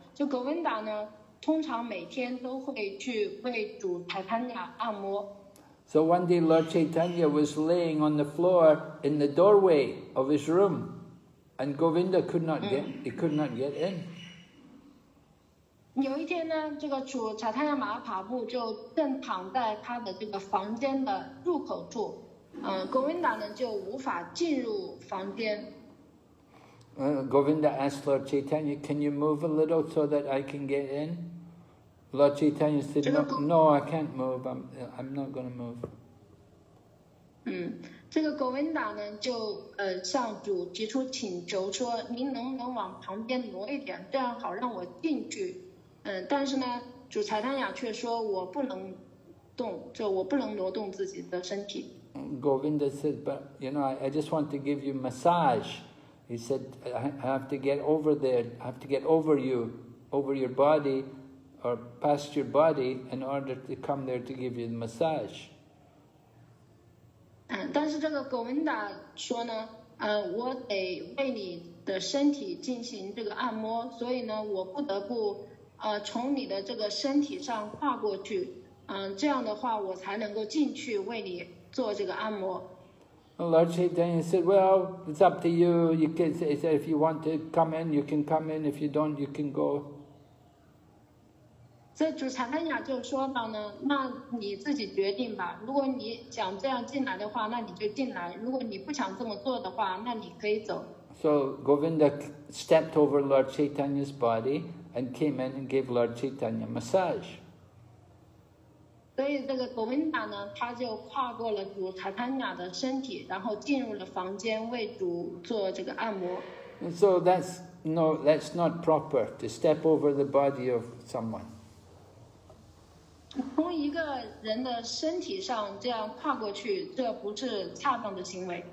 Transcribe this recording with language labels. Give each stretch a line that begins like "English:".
Chinese: 就 Govinda 呢，通常每天都会去为主 Chaitanya 按摩。
English: So one day Lord Chaitanya was laying on the floor in the doorway of his room and Govinda could not get in.
Chinese: 有一天呢，这个主查泰亚马哈帕布就正躺在他的这个房间的入口处，Govinda 呢就无法进入房间。
English: Govinda asked Lord Chaitanya, can you move a little so that I can get in? Lord Chaitanya said, no, I can't move. I'm not going to move.
Chinese: 嗯，这个 Govinda 呢就向主提出请求说，您能不能往旁边挪一点，这样好让我进去。但是呢，主柴坦雅却说，我不能动，就我不能挪动自己的身体。
English: Govinda said, but you know, I just want to give you massage. He said, I have to get over there. I have to get over you, over your body. Or past your body in order to come there to give you the massage.
Chinese: 但是这个 Govinda 说呢，我得为你的身体进行这个按摩，所以呢，我不得不从你的这个身体上跨过去，这样的话我才能够进去为你做这个按摩。
English: Lord Chaitanya said, well, it's up to you. You can say, if you want to come in, you can come in. If you don't, you can go.
Chinese: 这主禅丹雅就说到呢，那你自己决定吧。如果你想这样进来的话，那你就进来。如果你不想这么做的话，那你可以走。
English: So Govinda stepped over Lord Chaitanya's body and came in and gave Lord Chaitanya massage.
Chinese: 所以这个 Govinda 呢，他就跨过了主禅丹雅的身体，然后进入了房间为主做这个按摩。
English: And so that's no, that's not proper to step over the body of someone.
Chinese: 从一个人的身体上这样跨过去，这不是恰当的行为。